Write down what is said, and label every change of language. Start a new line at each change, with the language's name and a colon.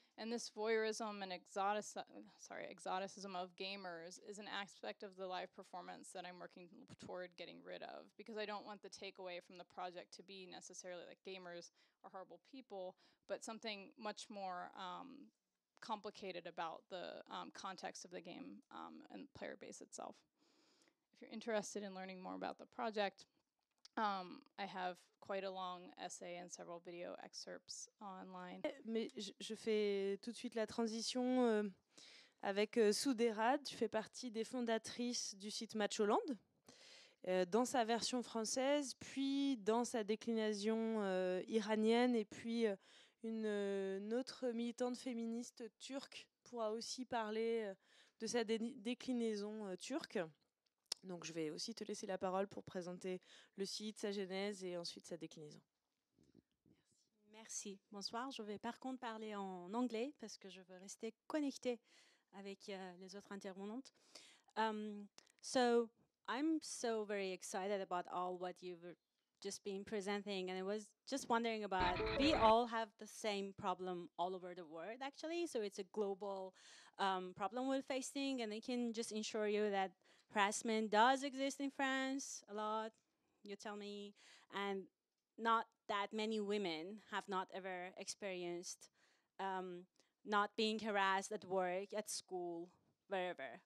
English: And this voyeurism and exoticism of gamers is an aspect of the live performance that I'm working toward getting rid of, because I don't want the takeaway from the project to be necessarily that gamers are horrible people, but something much more complicated about the context of the game and player base itself. If you're interested in learning more about the project, I have quite a long essay and several video excerpts online.
French: Mais je fais tout de suite la transition avec Souderad. Tu fais partie des fondatrices du site Macholand, dans sa version française, puis dans sa déclinaison iranienne, et puis une autre militante féministe turque pourra aussi parler de sa déclinaison turque. Donc je vais aussi te laisser la parole pour présenter le site, sa genèse et ensuite sa déclinaison. Merci. Merci. Bonsoir. Je vais par contre parler en anglais parce que je veux rester connectée avec les autres intervenantes.
English: So I'm so very excited about all what you've just been presenting, and I was just wondering about, we all have the same problem all over the world actually, so it's a global problem we're facing, and I can just assure you that harassment does exist in France a lot, you tell me, and not that many women have not ever experienced not being harassed at work, at school, wherever.